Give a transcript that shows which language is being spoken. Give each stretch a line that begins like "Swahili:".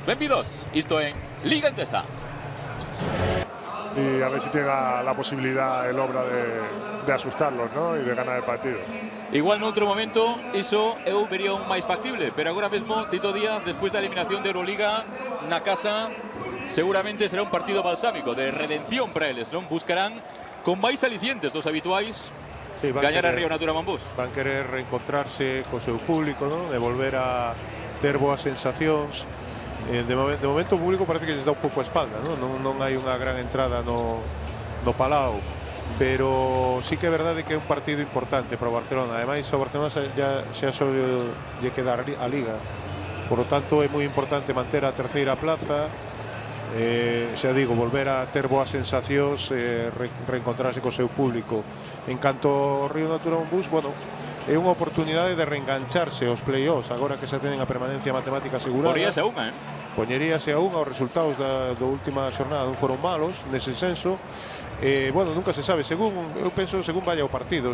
Galician: Benvidos, isto é Liga Endesa.
Spanish: Y a ver si tiene la posibilidad el Obra de asustarlos, ¿no? Y de ganar el partido. Igual en otro momento, eso yo vería un más factible. Pero ahora mismo, Tito Díaz, después de la eliminación de Euroliga, en casa, seguramente será un partido balsámico, de redención para ellos, ¿no? Buscarán con más alicientes los habituales. Sí, ganar a Río Natura Monbus. Van a querer reencontrarse con su público, ¿no? De volver a tener buenas sensaciones.
Galician: De momento o público parece que les da un pouco a espalda, ¿no? Non hai unha gran entrada no Palau. Pero sí que é verdade que é un partido importante para o Barcelona. Ademais, o Barcelona xa soubo lle quedar a Liga.
Spanish: Por lo tanto,
Galician: é moi importante manter a terceira plaza. Xa digo, volver a ter boas sensacións, reencontrarse co seu público. En canto ao Río Natura Monbus, bueno, é unha oportunidade de reengancharse aos play-offs, agora que xa teñen a permanencia matemática asegurada. Poñeríase a unha, eh? Poñeríase a unha, os resultados da última xornada non foron malos, nese senso. Bueno, nunca se sabe, eu penso
Spanish: según vaya
Galician: o partido.